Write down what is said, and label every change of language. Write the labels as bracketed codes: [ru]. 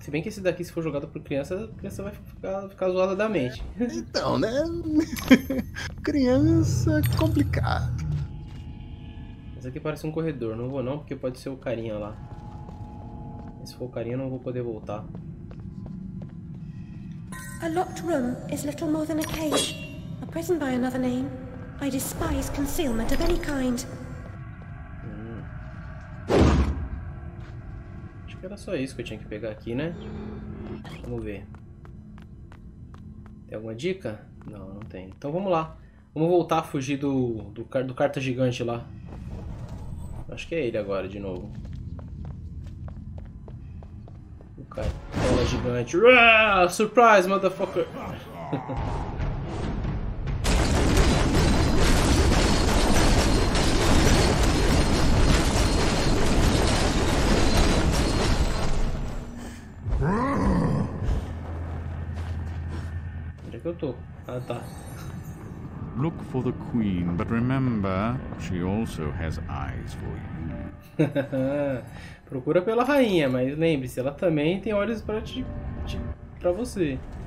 [pt] Se bem que esse daqui, se for jogado por criança, a criança vai ficar zoada da mente. Então, né? Criança, complicado. Esse aqui parece um corredor. Não vou, não, porque pode ser o carinha lá. Se for o carinha, não vou poder voltar. [en] A locked room is little more than a cage. A prison by another name. I despise concealment of any kind. [pt] Acho que era só isso que eu tinha que pegar aqui, né? Vamos ver. Tem alguma dica? Não, não tem. Então vamos lá. Vamos voltar a fugir do carta gigante lá. Acho que é ele agora de novo. O cara gigante. [en] Surprise, motherfucker! [pt] Eu tô. Ah, tá. [en] Look for the queen, but remember, she also has eyes for you. [pt] Procura pela rainha, mas lembre-se, ela também tem olhos pra te pra você.